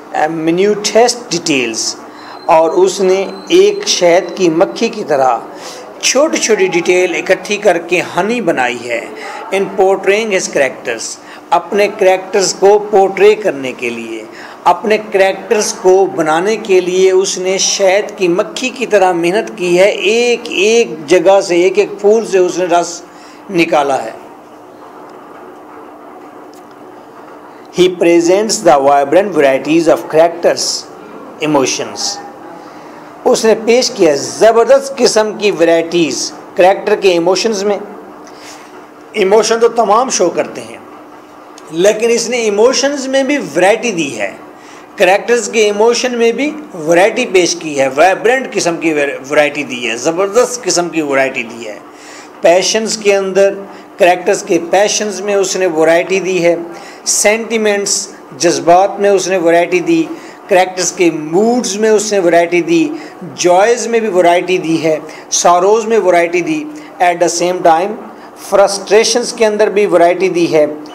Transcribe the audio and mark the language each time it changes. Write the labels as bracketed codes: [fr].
[hi] मिन्यूटेस्ट details, और उसने एक शहद की मक्खी की तरह छोटी छोटी डिटेल इकट्ठी करके हनी बनाई है [en] in portraying his characters, [hi] अपने करेक्टर्स को पोर्ट्रे करने के लिए, अपने करेक्टर्स को बनाने के लिए उसने शहद की मक्खी की तरह मेहनत की है, एक एक जगह से एक एक फूल से उसने रस निकाला है। [en] He presents the vibrant varieties of characters, emotions. [hi] उसने पेश किया ज़बरदस्त किस्म की varieties character के emotions में, emotion तो तमाम show करते हैं लेकिन इसने emotions में भी variety दी है, characters के emotion में भी variety पेश की है, vibrant किस्म की variety दी है, ज़बरदस्त किस्म की variety दी है, passions के अंदर करैक्टर्स के पैशंस में उसने वैरायटी दी है, सेंटीमेंट्स जज्बात में उसने वैरायटी दी, करैक्टर्स के मूड्स में उसने वैरायटी दी, जॉयज में भी वैरायटी दी है, सारोज में variety the, [en] at the same time [hi] frustrations के अंदर भी वैरायटी दी है,